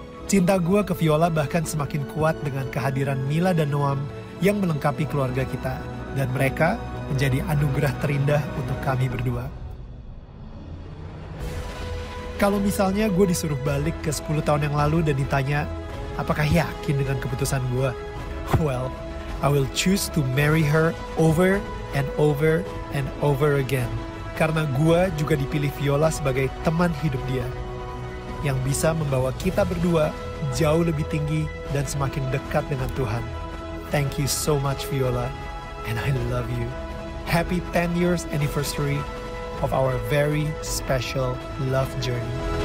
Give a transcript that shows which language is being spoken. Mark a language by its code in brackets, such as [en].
[id] Cinta gue ke Viola bahkan semakin kuat dengan kehadiran Mila dan Noam yang melengkapi keluarga kita. Dan mereka menjadi anugerah terindah untuk kami berdua. Kalau misalnya gue disuruh balik ke 10 tahun yang lalu dan ditanya, apakah yakin dengan keputusan gue? [en] Well, I will choose to marry her over and over and over again. [id] Karena gue juga dipilih Viola sebagai teman hidup dia, yang bisa membawa kita berdua jauh lebih tinggi dan semakin dekat dengan Tuhan. [en] Thank you so much, Viola, and I love you. Happy 10 years anniversary of our very special love journey.